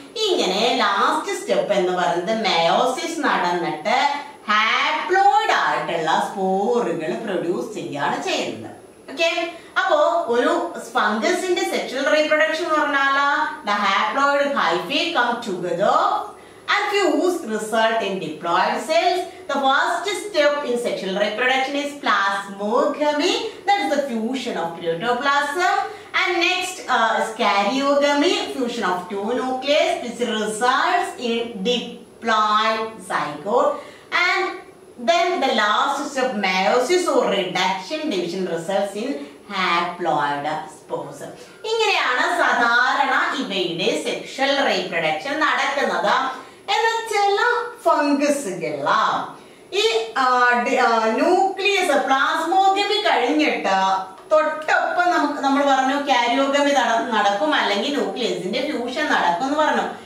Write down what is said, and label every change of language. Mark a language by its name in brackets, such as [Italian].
[Malayalam] ഇങ്ങനെ last step എന്ന് പറയുന്നത് മെയോസിസ് നടന്നിട്ട് ഹാപ്ലോയിഡ് ആയിട്ടുള്ള സ്പോറുകൾ പ്രൊഡ്യൂസ് ചെയ്യുകയാണ് ചെയ്യുന്നത്. ഓക്കെ, അപ്പോ ഒരു ഫംഗസിന്റെ സെക്ഷൽ റീപ്രൊഡക്ഷൻ എന്ന് പറഞ്ഞാൽ [English] The haploid hyphae come together and fuse result in diploid cells. The first step in sexual reproduction is plasmogamy, that is the fusion of protoplasm, and next is karyogamy, fusion of two nucleus, which results in diploid zygote, and then the last step meiosis or reduction division results in haploid spores. [Malayalam] ഇങ്ങനെയാണ് സാധാരണ ഇവയുടെ sexual reproduction നടക്കുന്നത്. എന്നാൽ ചില ഫംഗസുകള ഈ nucleus plasmogamy കഴിഞ്ഞിട്ട് തൊട്ടൊപ്പം നമ്മൾ പറഞ്ഞു കാരിയോഗമി നടക്കും അല്ലെങ്കിൽ ന്യൂക്ലിയസിന്റെ ഫ്യൂഷൻ നടക്കും എന്ന് പറഞ്ഞു.